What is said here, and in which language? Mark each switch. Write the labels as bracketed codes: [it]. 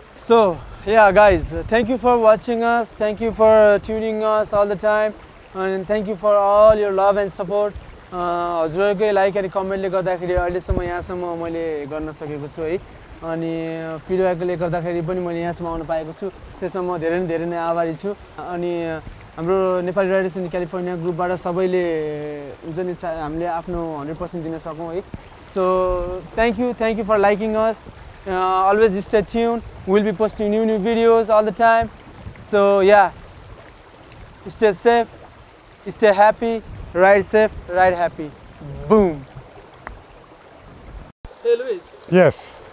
[en] So yeah guys, thank you for watching us, thank you for tuning us all the time, and thank you for all your love and support. [ne] हजुरहरूकै like अनि कमेन्टले गर्दाखेरि अहिलेसम्म यहाँसम्म मैले गर्न सकेको छु है. अनि फिडब्याकले गर्दाखेरि पनि मैले यहाँसम्म आउन पाएको छु, त्यसमा म धेरै नै आभारी छु. अनि हाम्रो नेपाली राइडर्स इन क्यालिफोर्निया ग्रुपबाट सबैले हुन्छ नि हामीले आफ्नो 100% दिन सकौँ है. [en] So thank you for liking us. Always stay tuned. We'll be posting new videos all the time. So yeah, stay safe, stay happy, ride safe, ride happy. Boom. Hey Luis. Yes.